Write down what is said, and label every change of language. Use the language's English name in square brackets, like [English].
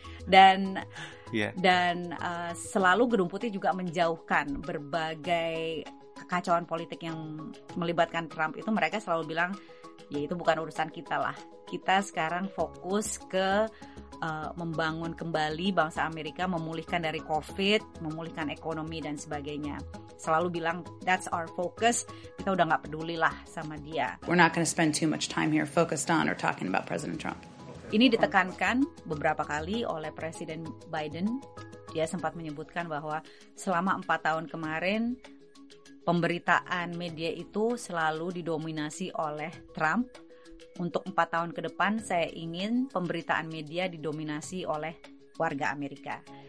[Indonesian] Dan selalu Gedung Putih juga menjauhkan berbagai kekacauan politik yang melibatkan Trump itu. Mereka selalu bilang, ya itu bukan urusan kita lah. Kita sekarang fokus ke membangun kembali bangsa Amerika, memulihkan dari COVID, memulihkan ekonomi dan sebagainya. Selalu bilang, [English] that's our focus. [Indonesian] Kita udah gak peduli lah sama dia. [English] We're not going to spend too much time here focused on or talking about President Trump. [Indonesian] Ini ditekankan beberapa kali oleh Presiden Biden. Dia sempat menyebutkan bahwa selama 4 tahun kemarin, pemberitaan media itu selalu didominasi oleh Trump. Untuk 4 tahun ke depan, saya ingin pemberitaan media didominasi oleh warga Amerika.